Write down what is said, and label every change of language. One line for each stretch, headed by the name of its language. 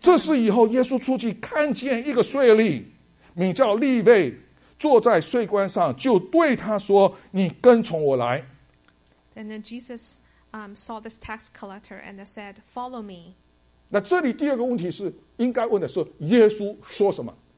Chinese: 这时以后，耶稣出去看见一个税吏，名叫利未，坐在税关上，就对他说：“你跟从我来。”And
English: then Jesus saw this tax collector and said, "Follow me."
Chinese: 那这里第二个问题是应该问的是耶稣说什么？